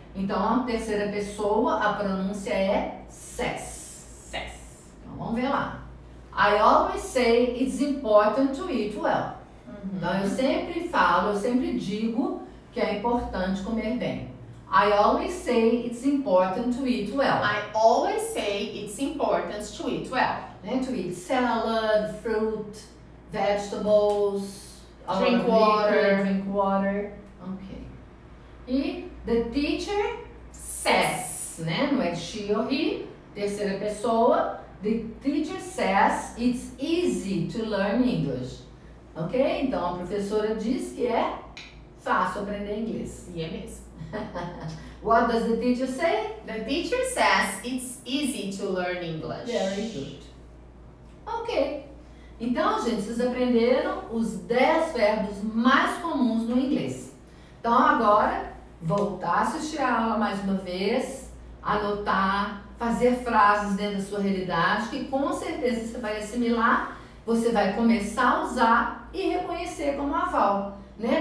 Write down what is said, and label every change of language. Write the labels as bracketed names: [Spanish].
[Portuguese] Então, a terceira pessoa, a pronúncia é says. [English] Says. [Portuguese] Então, vamos ver lá. [English] I always say it's important to eat well. Uhum. [Portuguese] Então, eu sempre falo, eu sempre digo que é importante comer bem. [English] I always say it's important to eat well. I always say it's important to eat well. Né? To eat salad, fruit, vegetables, drink water. Ok. E the teacher says, né? [Portuguese] Não é [English] she or he, [Portuguese] terceira pessoa. [English] The teacher says it's easy to learn English. Ok? [Portuguese] Então a professora diz que é fácil aprender inglês. E é mesmo. [English] What does the teacher say? The teacher says it's easy to learn English. Very good. Ok. [Portuguese] Então, gente, vocês aprenderam os 10 verbos mais comuns no inglês. Então, agora, voltar a assistir a aula mais uma vez, anotar, fazer frases dentro da sua realidade, que com certeza você vai assimilar, você vai começar a usar e reconhecer como a Val. Né?